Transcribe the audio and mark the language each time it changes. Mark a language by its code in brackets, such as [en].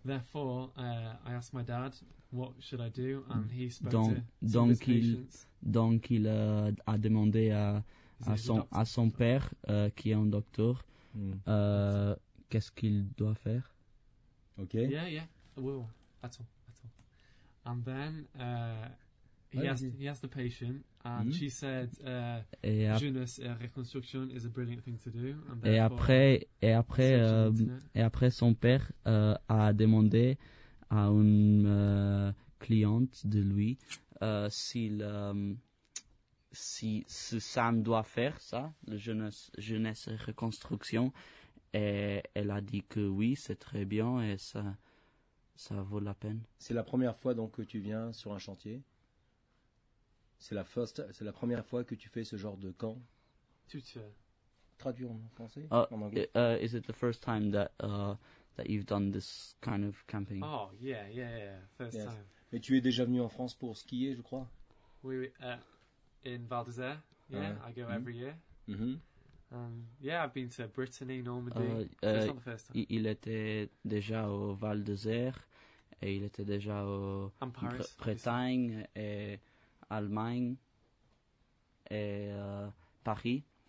[en] Therefore, I asked my dad what should I do, and he spoke [fr] Donc il a demandé à son père qui est un docteur qu'est-ce qu'il doit faire. Ok. [en] Yeah. Well, [fr] attends. [en] And then he asked the patient and she said jeunesse et reconstruction is a brilliant thing to do. And [fr] après son père a demandé à une cliente de lui s'il si Sam doit faire ça, le jeunesse et reconstruction, et elle a dit que oui, c'est très bien et ça vaut la peine. C'est la première fois donc que tu viens sur un chantier. C'est la première fois que tu fais ce genre de camp. Traduire en français, en anglais. [en] Is it the first time that you've done this kind of camping? Oh yeah, first time. [fr] Mais tu es déjà venu en France pour skier, je crois. Oui. [en] In Val d'Isère, I go every year. I've been to Brittany, Normandy. So it's not the first time. [fr] Il était déjà au Val d'Isère et il était déjà au Bretagne et Allemagne et Paris.